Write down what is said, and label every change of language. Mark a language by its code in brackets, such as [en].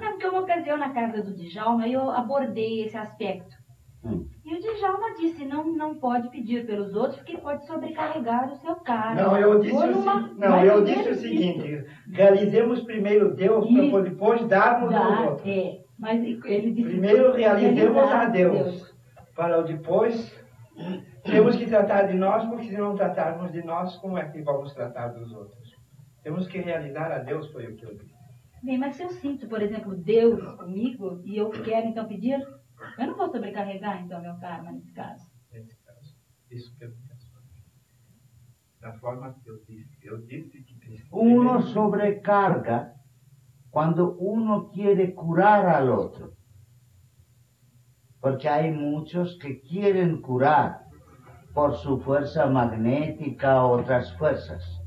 [es] No, porque una ocasión en la casa de Djalma yo abordé ese aspecto. ¿Eh? Y el Djalma dice, no puede pedir por los otros porque puede [pt] sobrecarregar o seu cargo. [es] No, yo dije así, yo dije o siguiente, realicemos primero Dios y... para después darnos dar, a los otros. [pt] Mas ele disse, primeiro realizemos a Deus, para depois temos que tratar de nós, porque se não tratarmos de nós, como é que vamos tratar dos outros? Temos que realizar a Deus, foi o que eu disse. Bem, mas se eu sinto, por exemplo, Deus comigo, e eu quero então pedir, eu não vou sobrecarregar então meu karma nesse caso. Nesse caso, isso que eu quero saber. Da forma que eu disse, que [es] uno sobrecarga quando uno quiere curar al otro, porque hay muchos que quieren curar por su fuerza magnética o otras fuerzas.